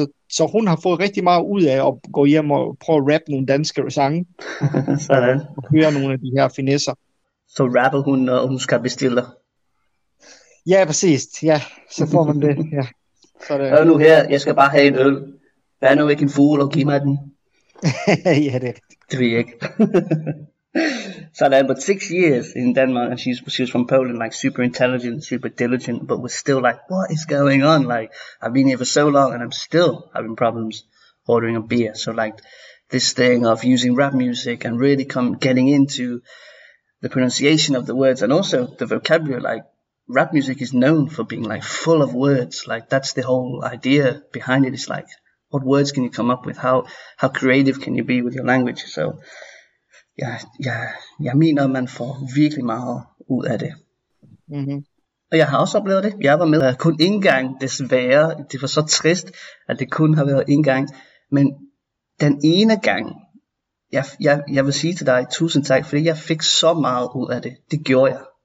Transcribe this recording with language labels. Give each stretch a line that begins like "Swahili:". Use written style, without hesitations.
Danish: Så hun har fået rigtig meget ud af at gå hjem og prøve at rappe nogle danske sange. Sådan. Og høre nogle af de her finesser. Så rapper hun, når hun skal bestille. Ja, præcis. Ja, så får man det. Ja. Så det. Hør nu her, jeg skal bare have en øl. Vær nu ikke en fugl og giv mig den. Ja, det er rigtigt. Det ved jeg ikke.
English: Sådan, but 6 years in Denmark, and she's from Poland, like super intelligent, super diligent, but was still like, what is going on? Like, I've been here for so long, and I'm still having problems ordering a beer. So like, this thing of using rap music and really getting into the pronunciation of the words and also the vocabulary, like, rap music is known for being like full of words. Like that's the whole idea behind it. It's like, what words can you come up with? How creative can you be with your language?
Danish: So, jeg mener, man får virkelig meget ud af det. Mm-hmm. Og jeg har også oplevet det. Jeg var med kun en gang, desværre. Det var så trist, at det kun har været en gang. Men den ene gang, jeg vil sige til dig tusind tak, fordi jeg fik så meget ud af det. Det gjorde jeg.